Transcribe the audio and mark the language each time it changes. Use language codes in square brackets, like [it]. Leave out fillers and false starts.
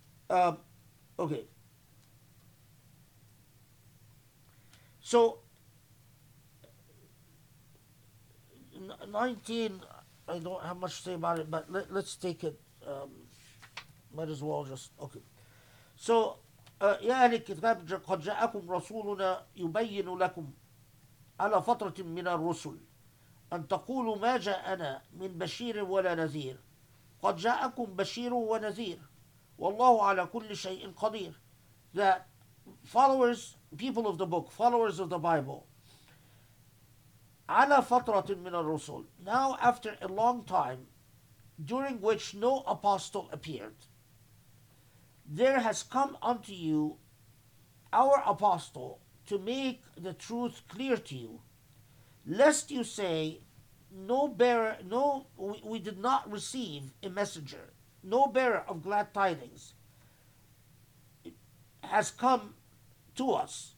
[en] Okay. So, 19, I don't have much to say about it, but let's take it. Might as well just, okay. [ar] So, يا أهل الكتاب قد جاءكم رسولنا يبين لكم على فترة من الرسل أن تقولوا ما جاءنا من بشير ولا نذير قد جاءكم بشير ونذير والله على كل شيء قدير. [en] That followers, people of the book, followers of the Bible, [ar] على فترة من الرسل, [en] now after a long time during which no apostle appeared, there has come unto you our apostle to make the truth clear to you, lest you say, we did not receive a messenger, no bearer of glad tidings has come to us.